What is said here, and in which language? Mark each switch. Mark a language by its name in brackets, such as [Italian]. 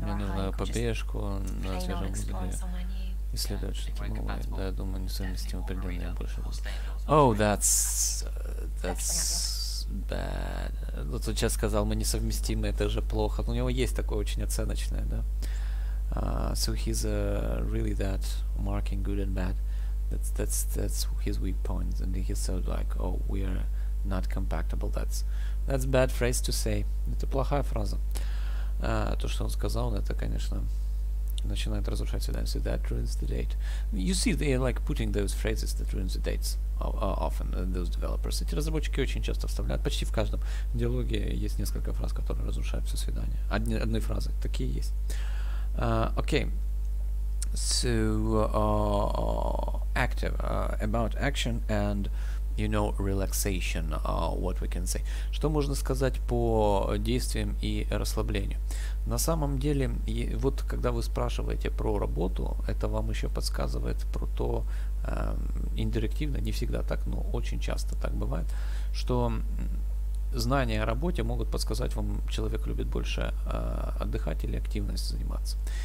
[Russian] Мне нужно побежку на свежем воздухе. Исследовать что-то новое. Да, я думаю, несовместимо придумать больше. [English] Oh, that's bad. [Russian] Вот сейчас сказал, мы несовместимы, это же плохо. Но у него есть такое очень оценочное, да. [English] So he's really that marking good and bad. That's his weak points. And he said like, oh, we are not compatible. That's bad phrase to say. [Russian] Это плохая фраза. То, что он сказал, это, конечно, начинает разрушать свидание. [English] So that ruins the date. You see, they are like putting those phrases that ruins the dates. Often those developers. [Russian] Эти разработчики очень часто вставляют, почти в каждом диалоге есть несколько фраз, которые разрушают все свидание. Одной фразы, такие есть. Okay. [English] So, active, about action and, you know, relaxation, what we can say. [Russian] Что можно сказать по действиям и расслаблению? На самом деле, вот когда вы спрашиваете про работу, это вам еще подсказывает про то, индирективно, не всегда так, но очень часто так бывает, что знания о работе могут подсказать вам, человек любит больше отдыхать или активность заниматься.